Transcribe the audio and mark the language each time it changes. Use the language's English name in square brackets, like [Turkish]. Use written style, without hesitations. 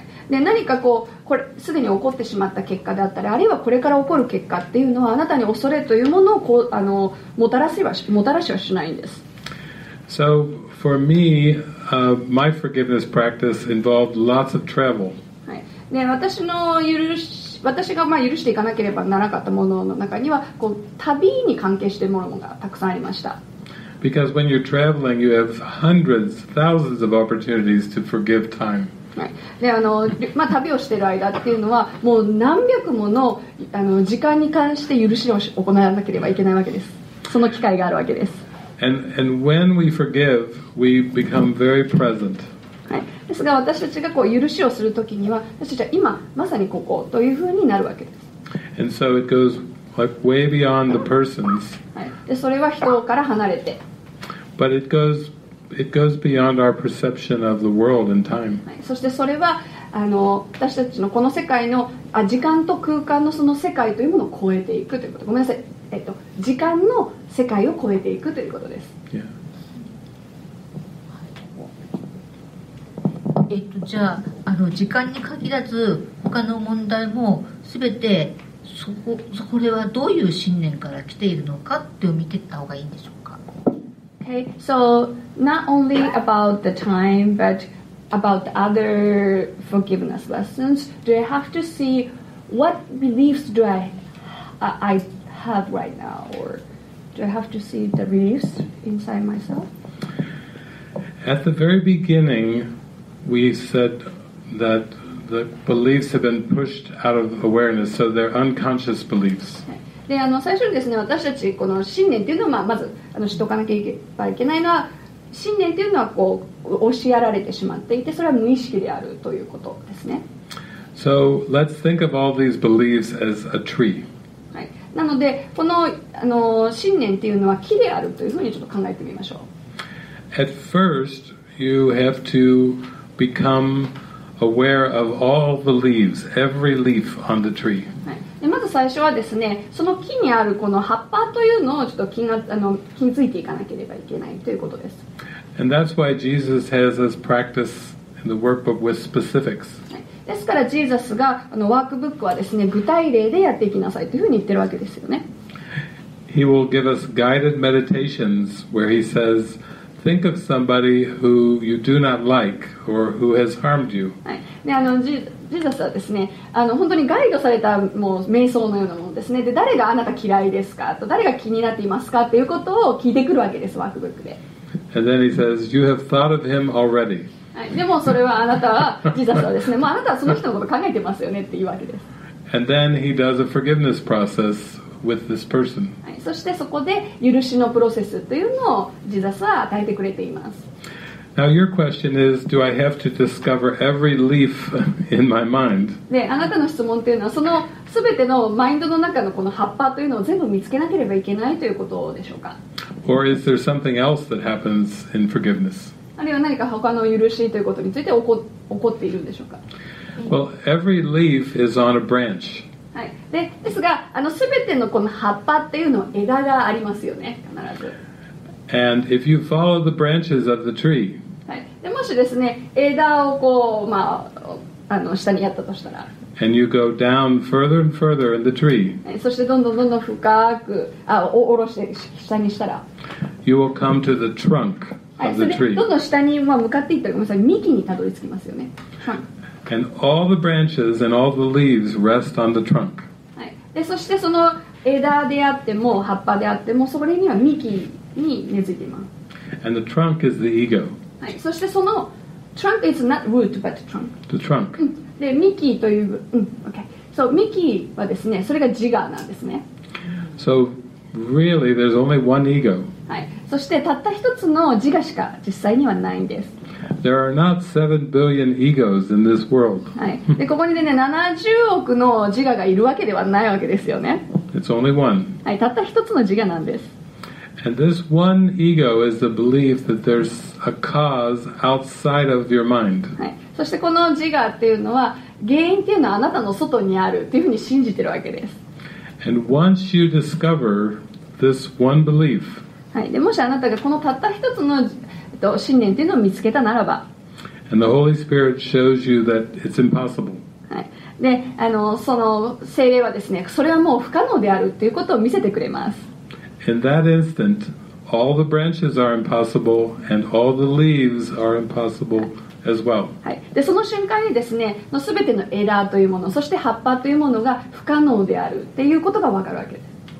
[Japanese] で、何かこう、これすでに起こってしまった結果であったり、あるいはこれから起こる結果っていうのはあなたに恐れというものをこう、あの、もたらしはしないんです。 [English] So for me,my forgiveness practice involved lots of travel. [Japanese] はい。で、私がまあ許していかなければならなかったものの中には、こう旅に関係しているものがたくさんありました。 [English] Because when you're traveling, you have hundreds, thousands of opportunities to forgive time. [Japanese] はい。で、あの、まあ旅をしている間っていうのは、もう何百もの、あの、時間に関して許しを行わなければいけないわけです。その機会があるわけです。 [English] And when we forgive, we become very present. [Japanese] はい。ですが私たちがこう許しをするときには、私たちは今まさにここというふうになるわけです。 [English] And so it goes like way beyond the persons. [Japanese] はい。でそれは人から離れて。 [English] But it goes beyond our perception of the world and time. [Japanese] はい。そしてそれはあの私たちのこの世界の時間と空間のその世界というものを超えていくということ。ごめんなさい。時間の世界を超えていくということです。 [English] Yeah. [Japanese] じゃあ、 あの時間に限らず他の問題も全てこれはどういう信念から来ているのかって見ていった方がいいんでしょうか。 [English] Okay, so not only about the time, but about other forgiveness lessons, do I have to see what beliefs do I have right now, or do I have to see the beliefs inside myself? At the very beginning, we said that the beliefs have been pushed out of awareness, so they're unconscious beliefs. [Japanese] で、あの、最初にですね、私たちこの信念というのは、まず、あの、しとかなければいけないのは、信念というのはこう、押しやられてしまっていて、それは無意識であるということですね。 [English] So let's think of all these beliefs as a tree. [Japanese] なのでこの、 あの信念というのは木であるというふうにちょっと考えてみましょう。 [English] At first you have to become aware of all the leaves, every leaf on the tree. [Japanese] はい、まず最初はですね、その木にあるこの葉っぱというのをちょっと気づいていかなければいけないということです。 [English] And that's why Jesus has us practice in the workbook with specifics [Japanese] ですからジーザスがあのワークブックはですね、具体例でやっていきなさいというふうに言ってるわけですよね。 [English] He will give us guided meditations where he says, think of somebody who you do not like or who has harmed you. [Japanese] はい。で、あの、ジーザスはですね、あの、本当にガイドされたもう瞑想のようなものですね。で、誰があなた嫌いですかと、誰が気になっていますかということを聞いてくるわけです、ワークブックで。 [English] And then he says, you have thought of him already. [Japanese] はい、でもそれはあなたは、ジーザスはですね、もうあなたはその人のこと考えてますよねっていうわけです。 [English] And then he does a forgiveness process with this person. [Japanese] はい、そしてそこで許しのプロセスというのをジーザスは与えてくれています。 [English] Now your question is, do I have to discover every leaf in my mind? [Japanese] ね、あなたの質問というのは、そのすべてのマインドの中のこの葉っぱというのを全部見つけなければいけないということでしょうか？ [English] Or is there something else that happens in forgiveness? [Japanese] あるいは何か他の許しということについて起こっているんでしょうか？ [English] Well, every leaf is on a branch. [Japanese] はい。で、ですが、あのすべてのこの葉っぱっていうのは枝がありますよね、必ず。 [English] And if you follow the branches of the tree, [Japanese] はい、でもしですね、枝をこう、まあ、あの下にやったとしたら、 [English] and you go down further and further in the tree, [Japanese] そしてどんどんどんどん深く、あ、下ろして下にしたら、 [English] you will come to the trunk of the tree. [Japanese] どんどん下に、まあ、向かっていったら、ごめんなさい、幹にたどり着きますよね。 [English] And all the branches and all the leaves rest on the trunk. [Japanese] はい、でそしてその枝であっても葉っぱであっても、それには幹に根付いています。 [English] And the trunk is the ego.、 [Japanese] はい、そしてその [English] trunk is not root but trunk. The trunk.、 [Japanese] うん、で幹という、うん、okay. So幹はですね、それが自我なんですね。 [English] So really there's only one ego.、 [Japanese] はい、そしてたった一つの自我しか実際にはないんです。 [English] There are not 7 billion egos in this world. [Japanese] はい。ここにでね、70億の自我がいるわけではないわけですよね。 [English] It's only one. [Japanese] はい、たった一つの自我なんです。 [English] And this one ego is the belief that there's a cause outside of your mind. [Japanese] はい。そしてこの自我っていうのは、原因っていうのはあなたの外にあるっていうふうに信じてるわけです。 [English] And once you discover this one belief, [Japanese] はい。で、もしあなたがこのたった一つの信念というのを見つけたならば、 [English] And the Holy Spirit shows you that it's impossible. [Japanese] はい、で、あの、その聖霊はですね、それはもう不可能であるということを見せてくれます。 [English] In that instant, all the branches are impossible and all the leaves are impossible as well. [Japanese] はい、で、その瞬間にですね、すべての枝というもの、そして葉っぱというものが不可能であるということがわかるわけです。